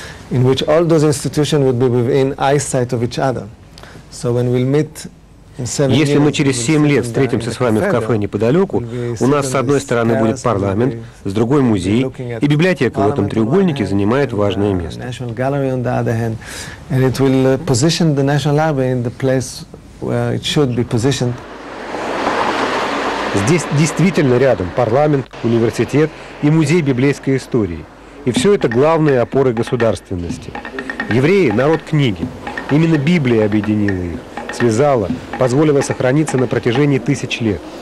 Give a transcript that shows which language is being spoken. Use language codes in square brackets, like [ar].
[en] In which all those institutions would be within eyesight of each other. So when we'll meet in 7 years, [ru] если мы через 7 лет встретимся с вами в кафе неподалеку, у нас с одной стороны будет парламент, с другой музей, и библиотека в этом треугольнике занимает важное место. [en] National Gallery on the other hand, and it will position the National Library in the place where it should be positioned. [ru] Здесь действительно рядом парламент, университет и музей библейской истории. И все это главные опоры государственности. Евреи – народ книги. Именно Библия объединила их, связала, позволила сохраниться на протяжении тысяч лет.